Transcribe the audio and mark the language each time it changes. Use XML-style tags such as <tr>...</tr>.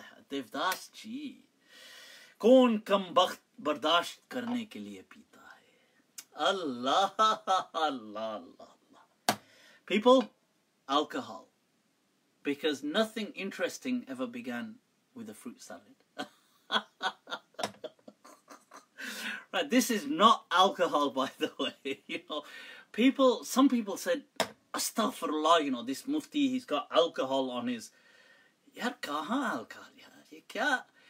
<ur>دیوداس جی. کون کم بخت برداشت کرنے کے لیے پیتا?</ur> <ar>Allah.</ar> <en>People, alcohol. Because nothing interesting ever began with a fruit salad. Right, this is not alcohol, by the way. You know, some people said, Astaghfirullah, you know, this Mufti, he's got alcohol on his.</en> <ur>یار کہاں alcohol یار?</ur>